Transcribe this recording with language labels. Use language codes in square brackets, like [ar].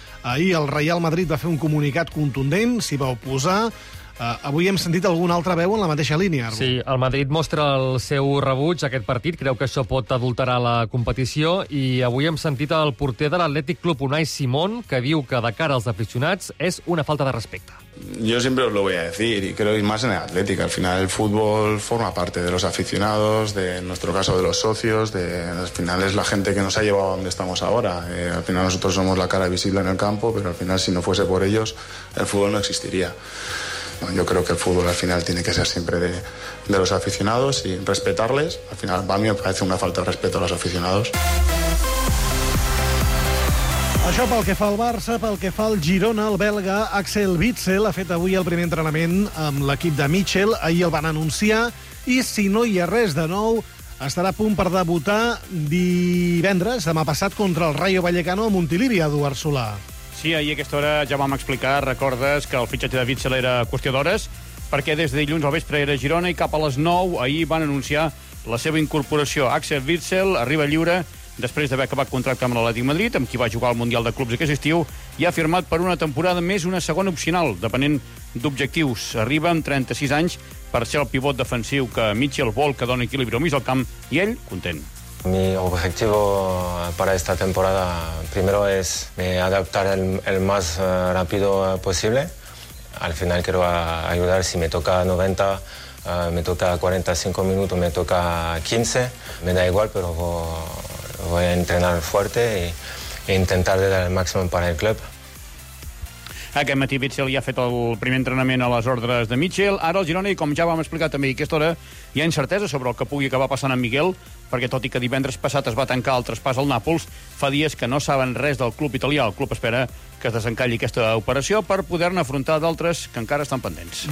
[ca] Ahir el Real Madrid va fer un comunicat contundent, s'hi va oposar. Avui hem sentit alguna altra veu en la mateixa línia. Arbu. Sí, el Madrid mostra el seu rebuig a aquest partit, creu que això pot adulterar la competició, i avui hem sentit el porter de l'Atlètic Club, Unai Simón, que diu que de cara als aficionats és una falta de respecte. [es] Yo siempre os lo voy a decir, y creo que más en el Atlético. Al final el fútbol forma parte de los aficionados, de, en nuestro caso, de los socios, de, al final es la gente que nos ha llevado a donde estamos ahora. Al final nosotros somos la cara visible en el campo, pero al final si no fuese por ellos, el fútbol no existiría. Yo creo que el fútbol al final tiene que ser siempre de los aficionados y respetarles. Al final a mí me parece una falta de respeto a los aficionados. [ca] Això pel que fa al Barça, pel que fa al Girona, el belga Axel Witsel ha fet avui el primer entrenament amb l'equip de Mitchell, ahir el van anunciar, i si no hi ha res de nou, estarà a punt per debutar divendres, demà passat, contra el Rayo Vallecano a Montilivi, Eduard Solà. Sí, ahir a aquesta hora ja vam explicar, recordes, que el fitxatge de Witsel era qüestió d'hores, perquè des de dilluns al vespre era Girona i cap a les 9 ahir van anunciar la seva incorporació. Axel Witsel arriba lliure després d'haver acabat contracte amb l'Atlètic Madrid, amb qui va jugar al Mundial de Clubs aquest estiu, i ha firmat per una temporada més una segona opcional, depenent d'objectius. Arriba amb 36 anys per ser el pivot defensiu que Mitchell vol, que dona equilibri al mig del camp, i ell, content. [es] Mi objetivo para esta temporada primero es adaptar el más rápido posible. Al final quiero ayudar, si me toca 90, me toca 45 minutos, me toca 15, me da igual, pero voy a entrenar fuerte e intentar dar el máximo para el club. [ca] Aquest matí Witsel ja ha fet el primer entrenament a les ordres de Mitchell. Ara el Girona, i com ja vam explicar també aquesta hora, hi ha incertesa sobre el que pugui acabar passant amb Miguel, perquè tot i que divendres passat es va tancar el traspàs al Nàpols, fa dies que no saben res del club italià. El club espera que es desencalli aquesta operació per poder-ne afrontar d'altres que encara estan pendents.